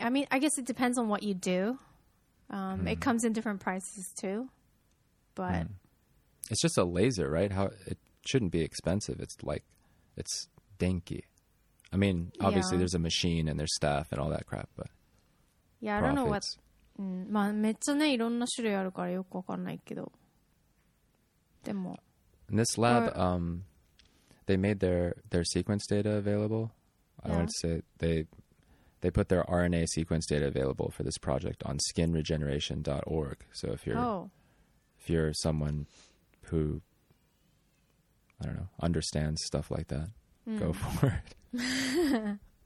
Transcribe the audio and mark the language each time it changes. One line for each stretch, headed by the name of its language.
English: I mean, I guess it depends on what you do. It comes in different prices too, but it's just a laser, right? How it shouldn't be expensive. It's like, it's dinky. I mean, obviously there's a machine and there's staff and all that crap, but yeah, I don't know what.
Japanese: めっちゃね、いろんな種類あるからよくわかんないけど. でも.
English: In this lab, they made their sequence data available. I want to say they put their RNA sequence data available for this project on skinregeneration.org. So if you're someone who, I don't know, understands stuff like that, go for it.